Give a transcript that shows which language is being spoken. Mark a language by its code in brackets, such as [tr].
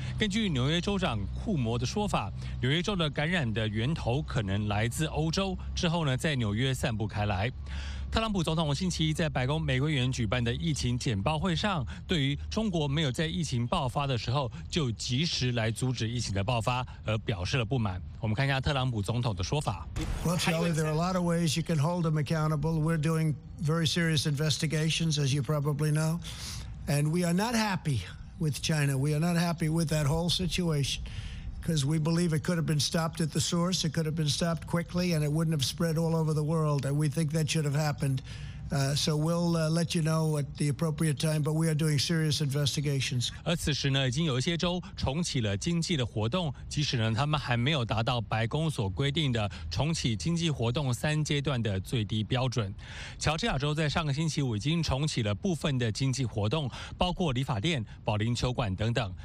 [zh] 根据纽约州长库摩的说法，纽约州的感染的源头可能来自欧洲，之后呢在纽约散布开来。特朗普总统星期一在白宫玫瑰园举办的疫情简报会上，对于中国没有在疫情爆发的时候就及时来阻止疫情的爆发而表示了不满。我们看一下特朗普总统的说法。 [en] Well, Charlie, there are a lot of ways you can hold them accountable. We're doing very serious investigations, as you probably know. And we are not happy with China. We are not happy with that whole situation. Because we believe it could have been stopped at the source, it could have been stopped quickly, and it wouldn't have spread all over the world. And we think that should have happened. So we'll let you know at the appropriate time, but we are doing serious investigations. [zh] 而此时呢，已经有一些州重启了经济的活动，即使呢他们还没有达到白宫所规定的重启经济活动3阶段的最低标准。乔治亚州在上个星期五已经重启了部分的经济活动，包括理发店、保龄球馆等等。